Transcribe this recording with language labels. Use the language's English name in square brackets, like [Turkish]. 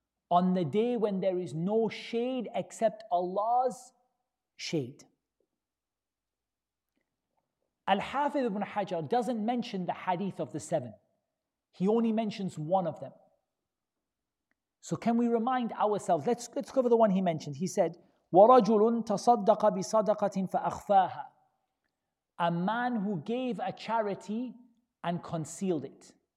[English] On the day when there is no shade except Allah's shade. Al-Hafidh ibn Hajar doesn't mention the hadith of the seven. He only mentions one of them. So can we remind ourselves? Let's cover the one he mentioned. He said, [Arabic] وَرَجُلٌ تَصَدَّقَ بِصَدَقَةٍ فَأَخْفَاهَا. [English] A man who gave a charity and concealed it.